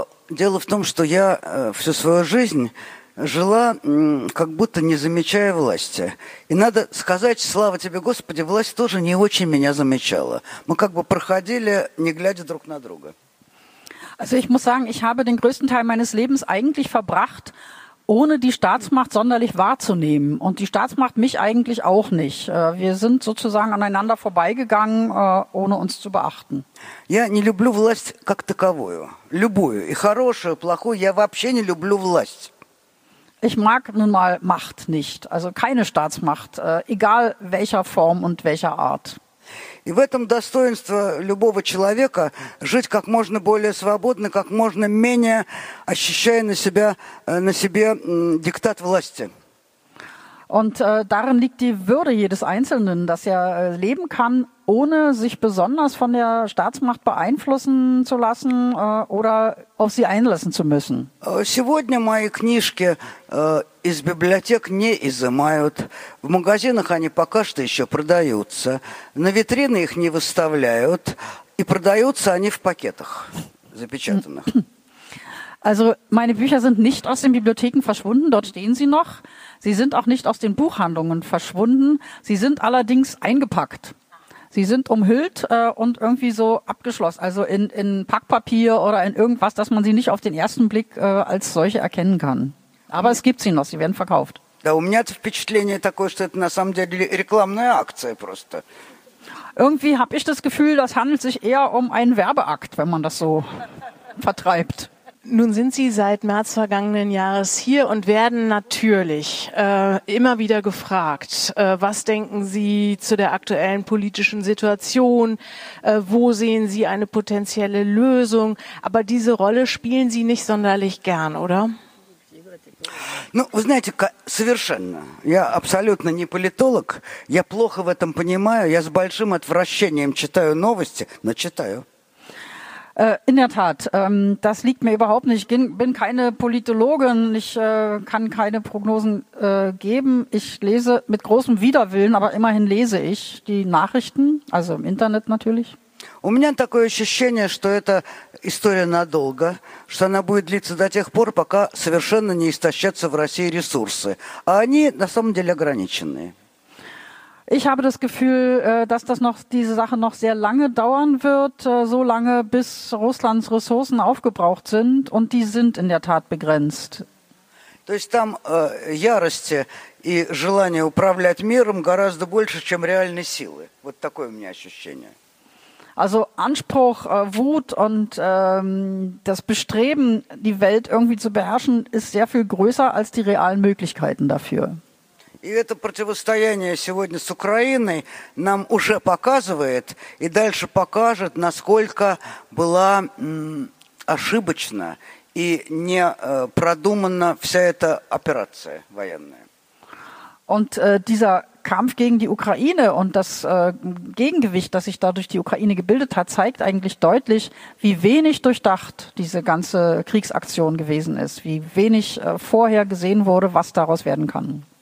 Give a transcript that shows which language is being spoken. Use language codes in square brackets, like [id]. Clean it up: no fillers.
[ru] Дело в том, что я всю свою жизнь жила, как будто не замечая власти. И надо сказать, слава тебе, Господи, власть тоже не очень меня замечала. Мы как бы проходили, не глядя друг на друга. [de] Also ich muss sagen, ich habe den größten Teil meines Lebens eigentlich verbracht, ohne die Staatsmacht sonderlich wahrzunehmen. Und die Staatsmacht mich eigentlich auch nicht. Wir sind sozusagen aneinander vorbeigegangen, ohne uns zu beachten. [ru] Я не люблю власть как таковую. Любую. И хорошую, и плохую. Я вообще не люблю власть. [de] Ich mag nun mal Macht nicht. Also keine Staatsmacht. Egal welcher Form und welcher Art. [ru] И в этом достоинство любого человека жить как можно более свободно, как можно менее ощущая на себе диктат власти. [de] Und darin liegt die Würde jedes Einzelnen, dass er leben kann, ohne sich besonders von der Staatsmacht beeinflussen zu lassen oder auf sie einlassen zu müssen. [ru] Сегодня мои книжки из библиотек не изымают. В магазинах они пока что еще продаются. На витрины их не выставляют. И продаются они в пакетах запечатанных. [de] Also meine Bücher sind nicht aus den Bibliotheken verschwunden, dort stehen sie noch. Sie sind auch nicht aus den Buchhandlungen verschwunden. Sie sind allerdings eingepackt. Sie sind umhüllt und irgendwie so abgeschlossen, also in Packpapier oder in irgendwas, dass man sie nicht auf den ersten Blick als solche erkennen kann. Aber es gibt sie noch, sie werden verkauft. [ru] Да, у меня впечатление такое, что это на самом деле рекламная акция просто. [de] Irgendwie habe ich das Gefühl, das handelt sich eher um einen Werbeakt, wenn man das so vertreibt. Nun sind Sie seit März vergangenen Jahres hier und werden natürlich immer wieder gefragt, was denken Sie zu der aktuellen politischen Situation, wo sehen Sie eine potenzielle Lösung, aber diese Rolle spielen Sie nicht sonderlich gern, oder? [ru] Ну, вы знаете, совершенно. Я абсолютно не политолог, я плохо в этом понимаю, я с большим отвращением читаю новости, но читаю. [de] In der Tat, das liegt mir überhaupt nicht. Ich bin keine Politologin, ich kann keine Prognosen geben. Ich lese mit großem Widerwillen, aber immerhin lese ich die Nachrichten, also im Internet natürlich. [ru] У меня такое ощущение, что эта история надолго, что она будет длиться до тех пор, пока совершенно не истощатся в России ресурсы. А они на самом деле ограничены. [de] Ich habe das Gefühl, dass das noch diese Sache noch sehr lange dauern wird, so lange, bis Russlands Ressourcen aufgebraucht sind und die sind in der Tat begrenzt. [ru] То есть там ярости и желание управлять миром гораздо больше, чем реальной силы. Вот такое у меня ощущение. [de] Also Anspruch, Wut und das Bestreben, die Welt irgendwie zu beherrschen, ist sehr viel größer als die realen Möglichkeiten dafür. [ru] И это противостояние сегодня с Украиной нам уже показывает и дальше покажет, насколько была ошибочна и не продумана вся эта операция военная. [de] Und dieser Kampf gegen die Ukraine und das Gegengewicht, das sich dadurch die Ukraine gebildet hat, zeigt eigentlich deutlich, wie wenig durchdacht diese ganze Kriegsaktion gewesen ist, wie wenig vorher gesehen wurde, was daraus werden kann.